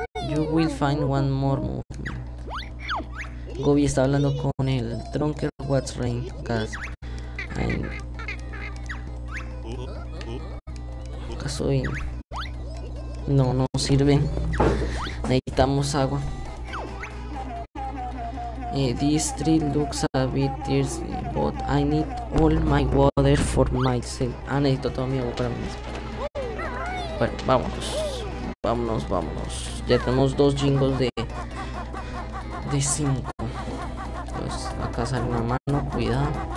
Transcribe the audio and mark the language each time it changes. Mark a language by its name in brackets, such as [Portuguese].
[English] You will find one more movement. [Spanish] Gobi está hablando con el Drunker Watch Rain Cast. ¿Acaso hoy? No, no sirve. Necesitamos agua. [English] This tree looks a bit thirsty, but I need all my water for myself. [Spanish] Ah, necesito todo mi agua para mí mismo. Bueno, vámonos. Vámonos, vámonos. Ya tenemos 2 jingles de 5. Pues acá sale una mano, cuidado.